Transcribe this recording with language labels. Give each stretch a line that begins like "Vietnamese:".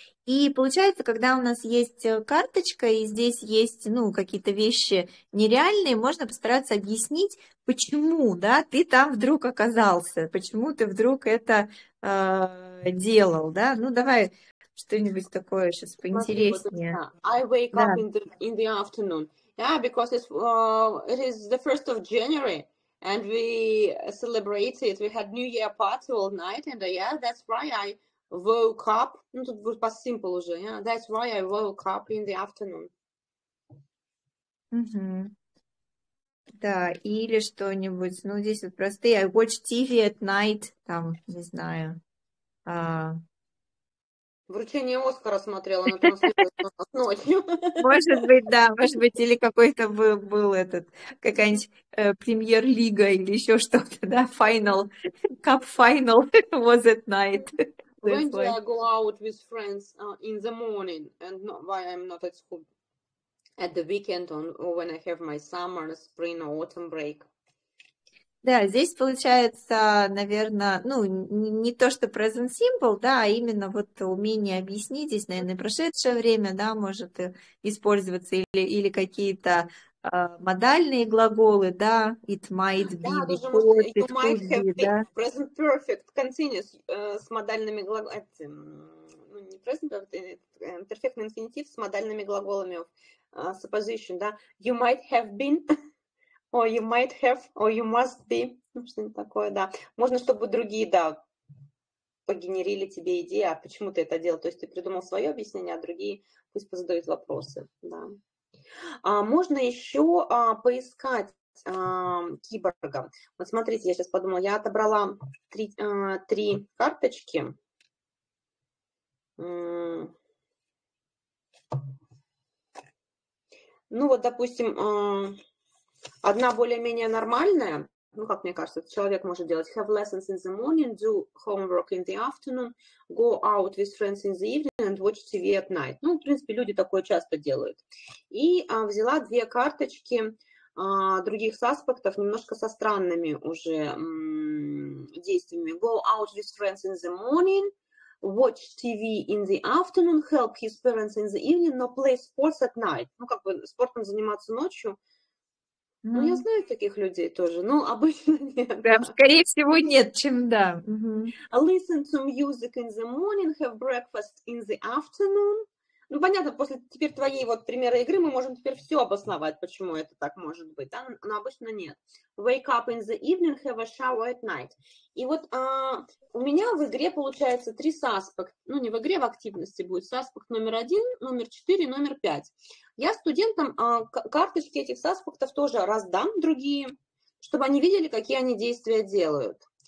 Russian: И получается, когда у нас есть карточка, и здесь есть, ну, какие-то вещи нереальные, можно постараться объяснить, почему, да, ты там вдруг оказался, почему ты вдруг это делал, да. Ну, давай что-нибудь такое сейчас поинтереснее.
English: I wake up in the afternoon. Yeah, because it is the 1st of January, and we celebrated, we had New Year party all night, and yeah, that's right, I woke up,
Russian: ну, тут будет по
English: simple
Russian: уже,
English: yeah, that's why I woke up in the afternoon.
Russian: Да, или что-нибудь, ну, здесь вот простые,
English: I watch TV at night,
Russian: там, не знаю, Вручение Оскара смотрела, но там случилось ночью. Может быть, да, может быть, или какой-то был этот, какая-нибудь премьер-лига или еще что-то, да,
English: final, cup final was at night. When do I go out with friends in the morning? And no, why I'm not at school at the weekend on, or when I have my summer, spring or autumn break?
Russian: Да, здесь получается, наверное, ну, не то, что present simple, да, а именно вот умение объяснить здесь, наверное, прошедшее время, да, может использоваться или какие-то модальные глаголы, да,
English: it might be,
Russian: да, даже
English: because,
Russian: может,
English: it you might could have be, been
Russian: да. Present perfect, continuous, с модальными глаголами, ну, не present perfect, перфектный инфинитив с модальными глаголами
English: of supposition,
Russian: да,
English: you might have been... Or you might have, or you must be.
Russian: Что-нибудь такое, да. Можно, чтобы другие, да, погенерили тебе идею, а почему ты это делал. То есть ты придумал свое объяснение, а другие пусть позадают вопросы, да. А можно еще поискать киборга. Вот смотрите, я сейчас подумала, я отобрала три карточки. Ну вот, допустим... Одна более-менее нормальная, ну, как мне кажется, человек может делать
English: have lessons in the morning, do homework in the afternoon, go out with friends in the evening and watch TV at night.
Russian: Ну, в принципе, люди такое часто делают. И взяла две карточки других аспектов, немножко со странными уже действиями.
English: Go out with friends in the morning, watch TV in the afternoon, help his parents in the evening, no play sports at night.
Russian: Ну, как бы спортом заниматься ночью. Ну, я знаю таких людей тоже, но обычно нет. Да, скорее всего, нет, чем да.
English: Listen to music in the morning, have breakfast in the afternoon.
Russian: Ну, понятно, после теперь твоей вот примера игры мы можем теперь все обосновать, почему это так может быть, да? Но обычно нет.
English: Wake up in the evening, have a shower at night.
Russian: И вот у меня в игре получается три саспект. Ну, не в игре, в активности будет саспект номер один, номер четыре, номер пять. Я студентам карточки этих саспектов тоже раздам другие, чтобы они видели, какие они действия делают.